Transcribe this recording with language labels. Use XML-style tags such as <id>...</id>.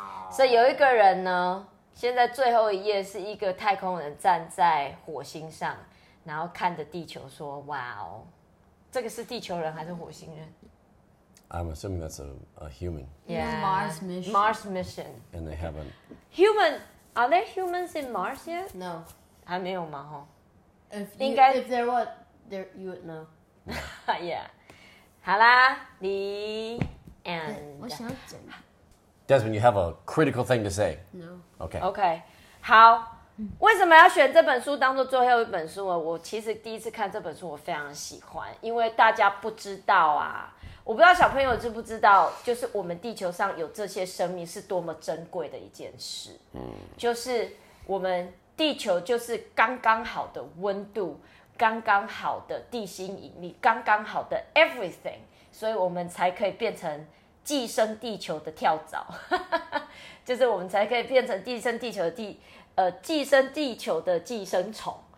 <zh>所以有一个人呢，现在最后一页是一个太空人站在火星上，然后看着地球说：“哇哦，这个是地球人还是火星人？”</zh> <en>I'm assuming that's a human. Yeah, Mars mission. Mars mission. And they haven't. Human? Are there humans in Mars yet? No.</en> <zh>还没有吗？哈。</zh> <en>If there were, there you would know. Yeah.</en> <zh>好啦</zh> <en>，The end.</en> <zh>我想讲。</zh> <en>Desmond, you have a critical thing to say. No. Okay. Okay.</en> <zh>好，为什么要选这本书当做最后一本书呢？我其实第一次看这本书，我非常喜欢，因为大家不知道啊，我不知道小朋友知不知道，就是我们地球上有这些生命是多么珍贵的一件事。嗯，就是我们地球就是刚刚好的温度，刚刚好的地心引力，刚刚好的 everything， 所以我们才可以变成寄生地球的跳蚤，就是我们才可以变成寄生地球的寄生地球的寄生虫。</zh>